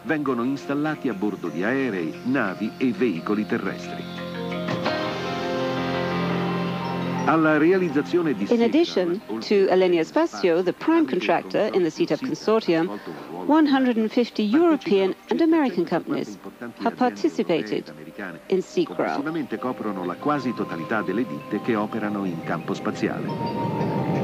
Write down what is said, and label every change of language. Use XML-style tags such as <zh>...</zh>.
<it>Vengono installati a bordo di aerei, navi e veicoli terrestri.</it> <en>In addition to Alenia Spazio, the prime contractor in the CTAP consortium, 150 European and American companies have participated in Sicral.</en> <it>Prossimamente coprono la quasi totalità delle ditte che operano in campo spaziale.</it>